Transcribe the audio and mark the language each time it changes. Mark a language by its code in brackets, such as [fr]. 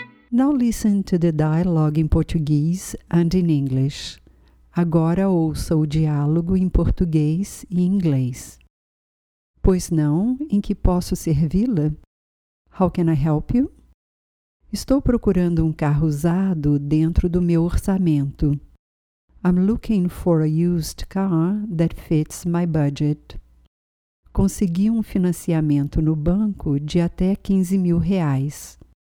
[en] Now listen to the dialogue in Portuguese and in English. [pt] Agora ouça o diálogo em português e inglês. Pois não, em que posso servi-la? [en] How can I help you? [pt] Estou procurando um carro usado dentro do meu orçamento. [en] I'm looking for a used car that fits my budget. [pt] Consegui um financiamento no banco de até 15 mil reais.